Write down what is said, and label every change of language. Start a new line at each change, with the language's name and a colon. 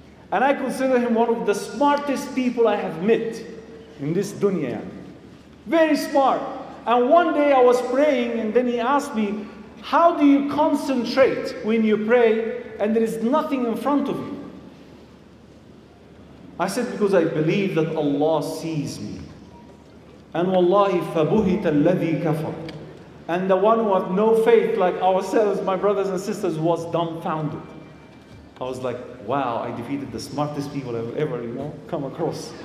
English: And I consider him one of the smartest people I have met in this dunya. Very smart. And one day I was praying and then he asked me, "How do you concentrate when you pray and there is nothing in front of you?" I said, "Because I believe that Allah sees me." And wallahi,
Arabic: فَبُهِتَ الَّذِي كَفَرَ.
English: And the one who had no faith like ourselves, my brothers and sisters, was dumbfounded. I was like, wow, I defeated the smartest people I've ever, you know, come across.